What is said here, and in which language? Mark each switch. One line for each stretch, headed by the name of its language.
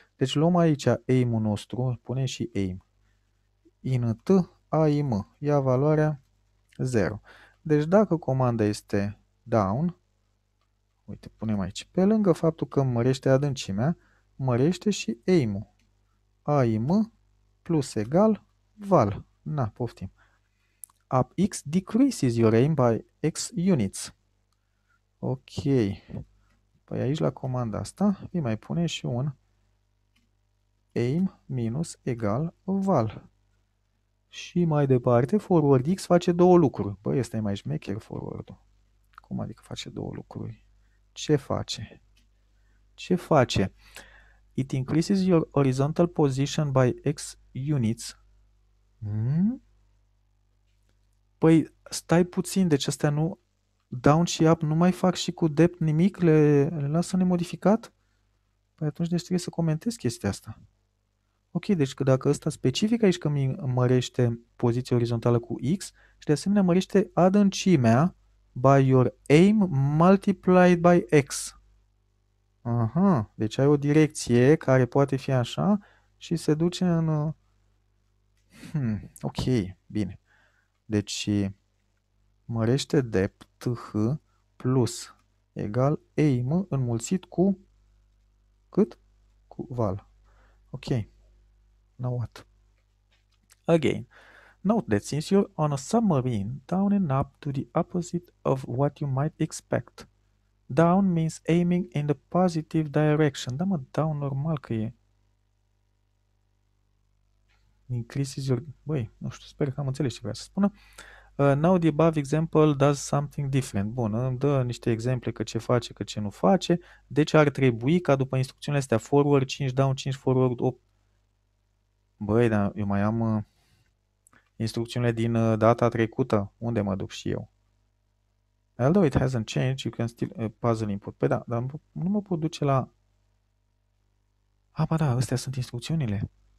Romanian: Deci luăm aici aim-ul nostru, punem și aim. Int aim, ia valoarea 0. Deci dacă comanda este down, uite, punem aici, pe lângă faptul că mărește adâncimea, mărește și aim-ul. Aim plus egal val. Na, poftim.
English: Up x decreases your aim by x units. Ok.
Romanian: Păi aici la comanda asta îi mai punem și un aim minus egal val. Și mai departe, forward x face două lucruri. Păi ăsta e mai șmecher forward-ul. Cum adică face două lucruri? Ce face? Ce face?
English: It increases your horizontal position by x units.
Romanian: Păi stai puțin, deci astea nu... Down și up nu mai fac și cu depth nimic? Le lasă nemodificat? Păi atunci deci trebuie să comentez chestia asta. Ok, deci că dacă ăsta specific aici că mi mărește poziția orizontală cu x și de asemenea mărește adâncimea
English: by your aim multiplied by x.
Romanian: Aha, deci ai o direcție care poate fi așa și se duce în... ok, bine. Deci mărește depth plus egal aim înmulțit cu cât? Cu val. Ok.
English: Now what? Again, note that since you're on a submarine, down and up to the opposite of what you might expect. Down means aiming in the positive direction.
Romanian: Da, mă, down normal că e.
English: Increases your...
Romanian: Băi, nu știu, sper că am înțeles ce vrea să spună.
English: Now the above example does something different.
Romanian: Bun, îmi dă niște exemple că ce face, că ce nu face. Deci ar trebui ca după instrucțiunile astea, forward 5, down 5, forward 8. Băi, dar eu mai am instrucțiunile din data trecută. Unde mă duc și eu?
English: Although it hasn't changed, you can still puzzle input.
Romanian: Păi da, dar nu mă pot duce la... A, ba da, astea sunt instrucțiunile.